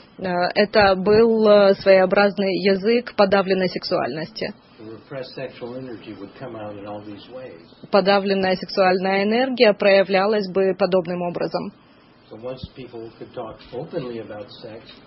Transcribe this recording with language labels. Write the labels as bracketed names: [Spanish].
[Russian] Это был своеобразный язык подавленной сексуальности. [English] Repressed sexual energy would come out in all these ways. [Russian] Подавленная сексуальная энергия проявлялась бы подобным образом. [English] So once people could talk openly about sex,